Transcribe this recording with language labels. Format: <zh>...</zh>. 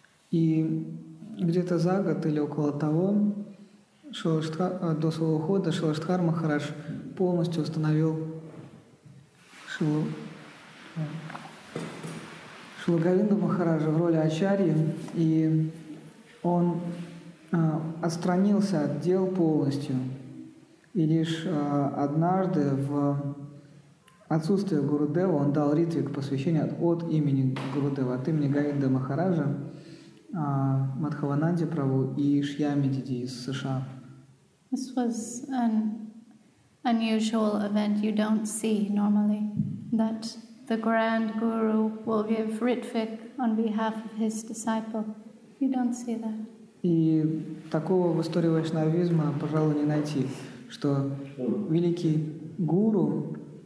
<ru>И где-то за год или около того, до своего ухода Шрила Шридхар Махарадж полностью установил Шрилу Говинду Махараджа в роли ачарьи, и он отстранился от дел полностью. И лишь однажды в отсутствие Гурудева он дал ритвик посвящения от имени Гурудева, от имени Говинды Махараджа, Мадхавананде Прабу и Шьяме Диди из США.</ru> <en>This was an unusual event you don't see normally, that the grand guru will give ritvik on behalf of his disciple. You don't see that.</en> <ru>И такого в истории вайшнавизма, пожалуй, не найти, что великий гуру</ru>